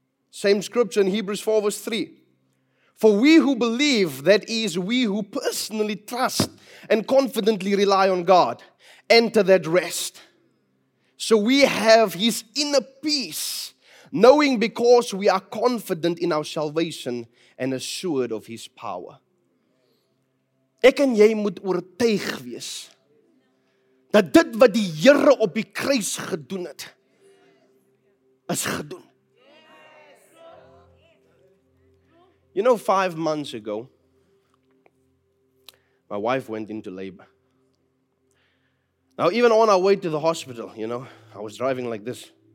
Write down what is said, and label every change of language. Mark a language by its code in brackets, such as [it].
[en] Same scripture in Hebrews 4 verse 3. For we who believe, that is we who personally trust and confidently rely on God, enter that rest. So we have His inner peace, knowing because we are confident in our salvation and assured of His power. [af] Ek en jy moet oortuig wees dat dit wat die Here op die kruis gedoen het, is gedoen. [en] You know, 5 months ago, my wife went into labor. Now, even on our way to the hospital, you know, I was driving like this.